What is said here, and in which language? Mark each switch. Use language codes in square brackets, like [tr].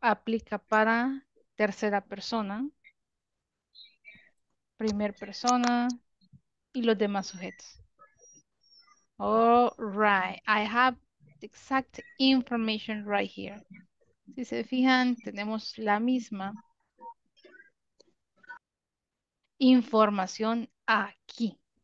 [es] Aplica para tercera persona, primer persona y los demás sujetos. [en] All right, I have the exact information right here. [es] Si se fijan, tenemos la misma información aquí.